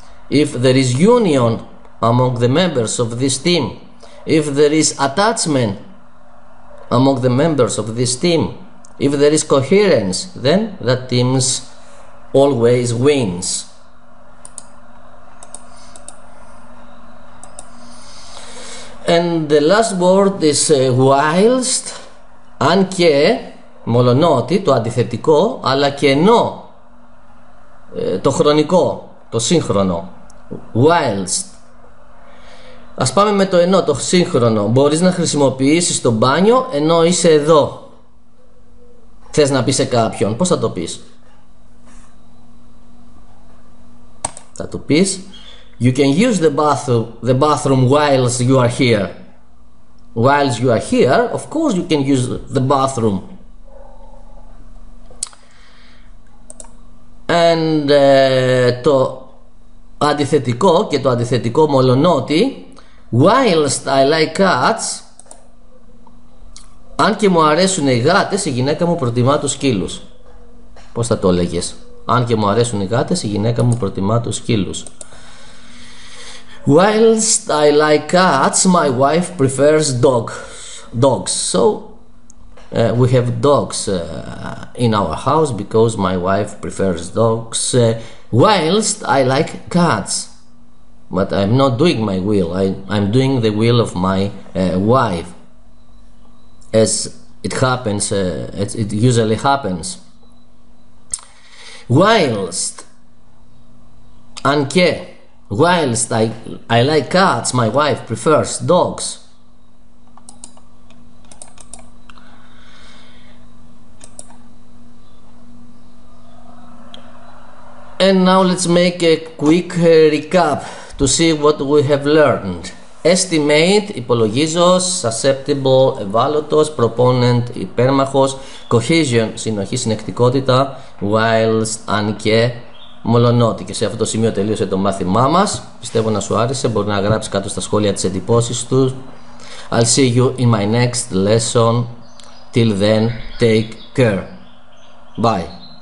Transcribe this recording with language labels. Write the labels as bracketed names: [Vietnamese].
[English] If there is union among the members of this team, if there is attachment among the members of this team, if there is coherence, then that team always wins. And the last word is whilst, [Greek] αν και, μολονότι, το αντιθετικό, αλλά και ενώ, το χρονικό, το σύγχρονο, whilst. Ας πάμε με το ενώ, το σύγχρονο. Μπορείς να χρησιμοποιήσεις το μπάνιο ενώ είσαι εδώ. Θες να πεις σε κάποιον, πώς θα το πεις? Θα του πεις [English] you can use the bathroom whilst you are here. Whilst you are here, of course you can use the bathroom. [Greek] And το αντιθετικό και το αντιθετικό μολονότι. [English] Whilst I like cats, [Greek] αν και μου αρέσουν οι γάτες, η γυναίκα μου προτιμά τους σκύλους. Πώς θα το έλεγες? Αν και μου αρέσουν οι γάτες, η γυναίκα μου προτιμά τους σκύλους. [English] Whilst I like cats, my wife prefers dogs. So we have dogs in our house because my wife prefers dogs. Whilst I like cats. But I'm not doing my will. I'm doing the will of my wife, as it happens. It usually happens. Whilst, αν και, whilst I like cats, my wife prefers dogs. And now let's make a quick recap to see what we have learned. [Greek] Estimate, υπολογίζω, susceptible, ευάλωτος, proponent, υπέρμαχος, cohesion, συνοχή, συνεκτικότητα, whilst, αν και, μολονότι. Και σε αυτό το σημείο τελείωσε το μάθημά μας. Πιστεύω να σου άρεσε, μπορεί να γράψεις κάτω στα σχόλια τις εντυπώσεις του. [English] I'll see you in my next lesson. Till then, take care. Bye.